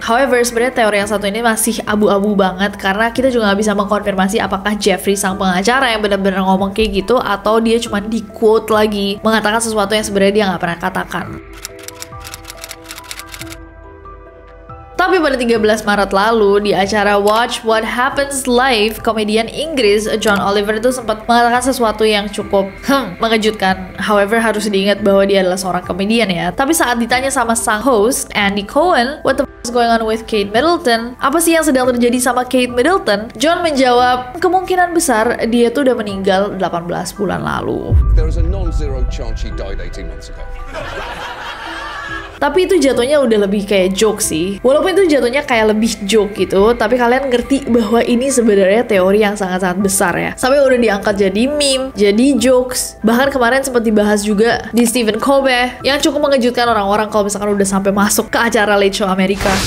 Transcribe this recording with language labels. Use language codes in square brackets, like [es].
[id] However, sebenarnya teori yang satu ini masih abu-abu banget karena kita juga gak bisa mengkonfirmasi apakah Jeffrey sang pengacara yang benar-benar ngomong kayak gitu atau dia cuma di-quote lagi mengatakan sesuatu yang sebenarnya dia gak pernah katakan. Tapi pada 13 Maret lalu, di acara Watch What Happens Live, komedian Inggris John Oliver itu sempat mengatakan sesuatu yang cukup mengejutkan. However, harus diingat bahwa dia adalah seorang komedian ya. Tapi saat ditanya sama sang host, [en] Andy Cohen, what the f*** is going on with Kate Middleton? [id] Apa sih yang sedang terjadi sama Kate Middleton? John menjawab, kemungkinan besar dia tuh udah meninggal 18 bulan lalu. [en] There is a non-zero chance she died 18 months ago. [id] Tapi itu jatuhnya udah lebih kayak joke sih. Walaupun itu jatuhnya kayak lebih joke gitu, tapi kalian ngerti bahwa ini sebenarnya teori yang sangat-sangat besar ya. Sampai udah diangkat jadi meme, jadi jokes. Bahkan kemarin sempat dibahas juga di Stephen Colbert yang cukup mengejutkan orang-orang kalau misalkan udah sampai masuk ke acara Late Show Amerika.